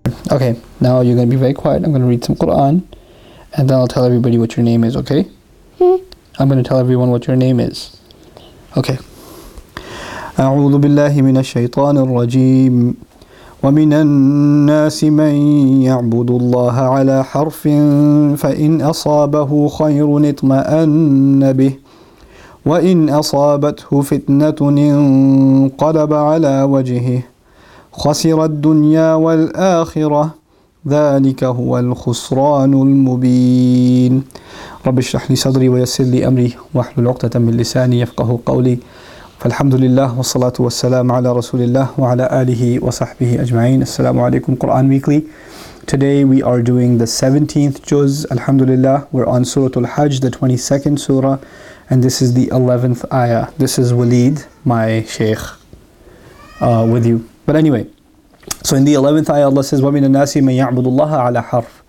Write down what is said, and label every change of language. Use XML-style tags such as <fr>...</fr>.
<en>Okay, now you're going to be very quiet. I'm going to read some Quran, and then I'll tell everybody what your name is, okay? Hmm. I'm going to tell everyone what your name is. Okay.</en> <ar>أعوذ بالله من الشيطان الرجيم ومن الناس من يعبد الله على حرف فإن أصابه خير اطمأن به وإن أصابته فتنة انقلب على وجهه خسر الدنيا والآخرة ذلك هو الخسران المبين رب اشرح لي صدري ويسر لي أمري واحلل عقدة من لساني يفقه قولي فالحمد لله والصلاة والسلام على رسول الله وعلى آله وصحبه أجمعين السلام عليكم Quran Weekly.</ar> <en>Today we are doing the 17th juz. Alhamdulillah, we're on Surah Al-Hajj, the 22nd surah, and this is the 11th ayah. This is Waleed, my sheikh, with you. But anyway, so in the 11th ayah, Allah says,</en> <ar>وَمِنَ النَّاسِ مَنْ يَعْبُدُ اللَّهَ عَلَى حَرْفٍ.</ar>